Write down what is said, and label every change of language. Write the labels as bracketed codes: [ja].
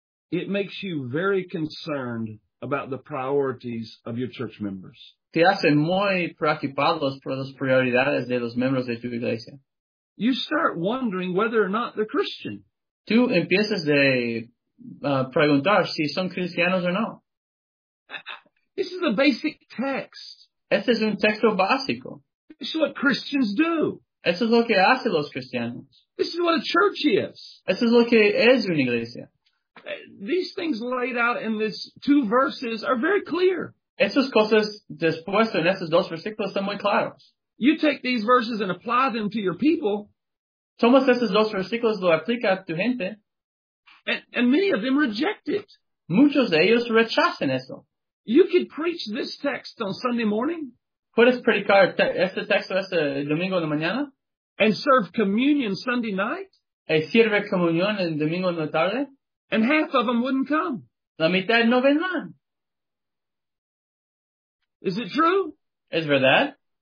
[en] It makes you very concerned about the priorities of your church members. [es] Te hace muy preocupados por las prioridades de los miembros de tu iglesia. [en] You start wondering whether or not they're Christian. [es] Tú empiezas de preguntar si son cristianos o no. [en] This is a basic text. [es] Este es un texto básico. [en] This is what Christians do. [es] Esto es lo que hacen los cristianos. [en] This is what a church is. [es] Esto es lo que es una iglesia. [en] These things laid out in these two verses are very clear. [es] Estas cosas después en estos dos versículos son muy claros. [en] You take these verses and apply them to your people. [es] Tomas estos dos versículos, lo aplica a tu gente. [en] And many of them reject it. [es] Muchos de ellos rechazan eso. [en] You could preach this text on Sunday morning. [es] Puedes predicar este texto este domingo en la mañana. [en] And serve communion Sunday night. [es] Y sirve comunión el domingo en la tarde. [en] And half of them wouldn't come. [es] La mitad no vendrán. [en] Is it true? [es] Es verdad.